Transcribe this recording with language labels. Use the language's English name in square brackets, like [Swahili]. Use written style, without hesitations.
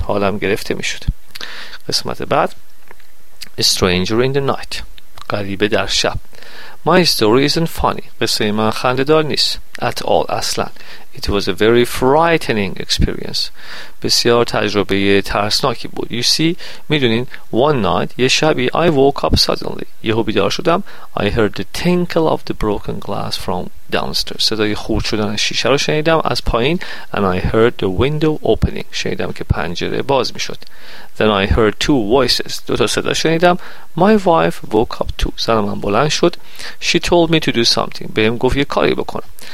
[Persian] حالم گرفته میشد. قسمت بعد [English] A stranger in the night. [Persian] غریبه در شب. [English] My story isn't funny. [Persian] قصه من خنده دار نیست. [English] At all. [Persian] اصلا. [English] It was a very frightening experience. [Persian] بسیار تجربه ترسناکی بود. [English] You see, [Persian] میدونین, [English] one night, [Persian] یه شبی, [English] I woke up suddenly. [Persian] یهو بیدار شدم. [English] I heard the tinkle of the broken glass from downstairs. [Persian] صدای خورد شدن شیشه رو شنیدم از پایین. [English] And I heard the window opening. [Persian] شنیدم که پنجره باز می شد. [English] Then I heard two voices. [Persian] دو تا صدا شنیدم. [English] My wife woke up too. [Persian] زن من بلند شد. [English] She told me to do something. [Persian] بهم گفت یه کاری بکنم.